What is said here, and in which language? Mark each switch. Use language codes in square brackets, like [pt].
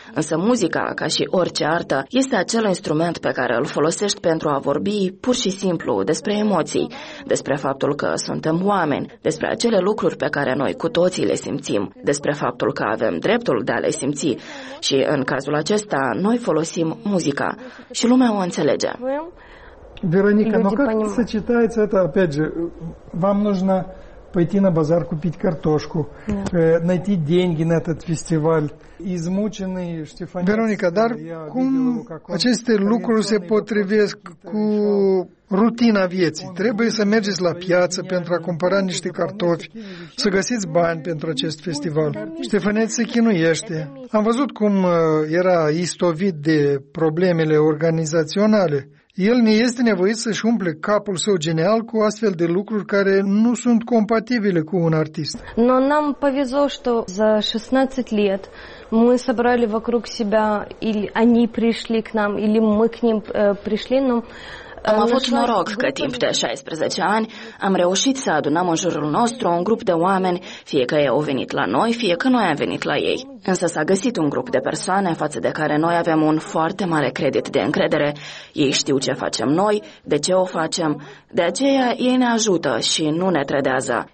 [ro] Însă muzica, ca și orice artă, este acel instrument pe care îl folosești pentru a vorbi pur și simplu despre emoții, despre faptul că suntem oameni, despre acele lucruri pe care noi cu toții le simțim. Despre faptul că avem dreptul de a le simți și în cazul acesta noi folosim muzica și lumea o înțelege. [ru] Veronica, но как сочетается это, опять же, вам нужно пойти на базар купить картошку, найти деньги на этот фестиваль, измученный Штефан. [ro] Вероника, dar cum aceste lucruri se potrivesc cu rutina vieții? Trebuie să mergeți la piață pentru a cumpăra niște cartofi, să găsiți bani pentru acest festival. Ștefăneț se chinuiește. Am văzut cum era istovit de problemele organizaționale. El ne este nevoit să-și umple capul său genial cu astfel de lucruri care nu sunt compatibile cu un artist. [ru] Но нам повезло, что за 16 лет мы собрали вокруг себя, или они пришли к нам, или мы к ним пришли, но [ro] am avut noroc că timp de 16 ani am reușit să adunăm în jurul nostru un grup de oameni, fie că ei au venit la noi, fie că noi am venit la ei. Însă s-a găsit un grup de persoane față de care noi avem un foarte mare credit de încredere. Ei știu ce facem noi, de ce o facem. De aceea ei ne ajută și nu ne trădează.